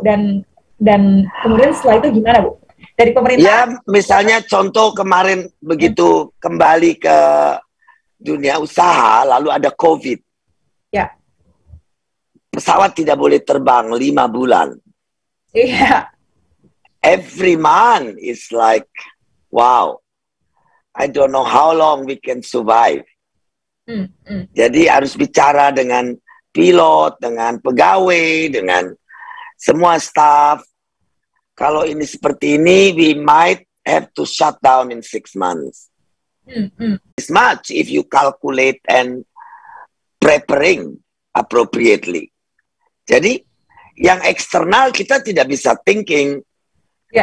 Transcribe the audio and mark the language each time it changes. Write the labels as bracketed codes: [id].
[id] Dan kemudian setelah itu gimana, Bu? Dari pemerintah? Ya, misalnya contoh kemarin begitu kembali ke dunia usaha, lalu ada COVID. Ya. Pesawat tidak boleh terbang 5 bulan. Iya. [en] Every month is like, wow, I don't know how long we can survive. [id] Jadi harus bicara dengan pilot, dengan pegawai, dengan semua staff. Kalau ini seperti ini, [en] we might have to shut down in 6 months. It's much if you calculate and preparing appropriately. [id] Jadi, yang eksternal kita tidak bisa [en] thinking, yeah.